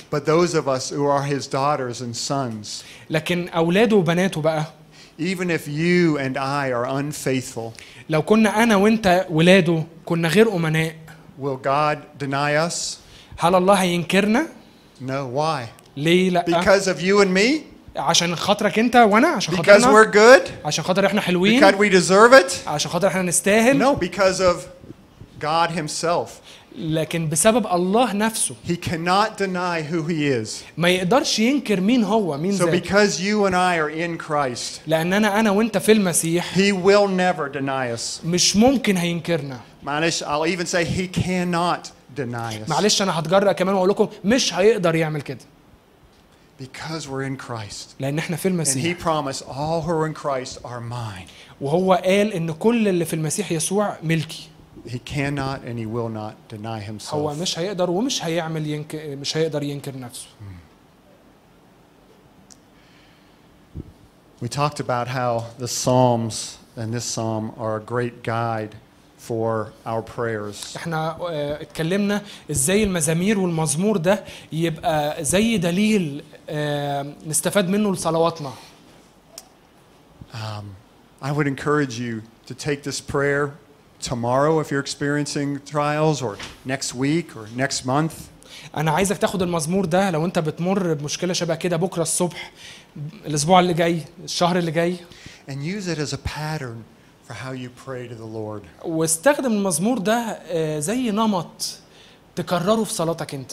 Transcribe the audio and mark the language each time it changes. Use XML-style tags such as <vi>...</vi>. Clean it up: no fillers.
<en>But those of us who are his daughters and sons.</en> <ar>لكن أولاده وبناته بقى.</ar> <en>Even if you and I are unfaithful.</en> <ar>لو كنا أنا وأنت ولاده كنا غير أمناء.</ar> <en>Will God deny us?</en> <ar>هل الله هينكرنا؟</ar> <en>No. Why?</en> <ar>ليه لا؟</ar> <en>Because of you and me.</en> <ar>عشان خاطرك انت وانا عشان</ar> <en>because</en> <ar>خاطرنا</ar> <en>we're good.</en> <ar>عشان خاطر احنا حلوين</ar> <en>because we deserve it.</en> <ar>عشان خاطر احنا نستاهل</ar> <en>no because of God himself</en> <ar>لكن بسبب الله نفسه</ar> <en>he cannot deny who he is</en> <ar>ما يقدرش ينكر مين هو مين</ar> <en>so</en> <ar>ذاته.</ar> <en>Because you and I are in Christ</en> <ar>لاننا انا وانت في المسيح</ar> <en>he will never deny us</en> <ar>مش ممكن هينكرنا معلش</ar> <en>I'll even say he cannot deny us</en> <ar>معلش انا هتجرأ كمان واقول لكم مش هيقدر يعمل كده</ar> <en>Because we're in Christ.</en> <ar>لأن إحنا في المسيح.</ar> <en>And He promised all who are in Christ are mine.</en> <ar>وهو قال إن كل اللي في المسيح يسوع ملكي.</ar> <en>He cannot and he will not deny himself.</en> <ar>هو مش هيقدر ومش هيعمل مش هيقدر ينكر نفسه.</ar> <en>We talked about how the Psalms and this Psalm are a great guide for our prayers.</en> <ar>احنا اتكلمنا ازاي المزامير والمزمور ده يبقى زي دليل نستفاد منه لصلواتنا.</ar> <en>I would encourage you to take this prayer tomorrow if you're experiencing trials or next week or next month.</en> <ar>انا عايزك تاخد المزمور ده لو انت بتمر بمشكله شبه كده بكره الصبح الاسبوع اللي جاي الشهر اللي جاي.</ar> <en>And use it as a pattern for how you pray to the Lord.</en> <ar>واستخدم المزمور ده زي نمط تكرره في صلاتك انت.</ar>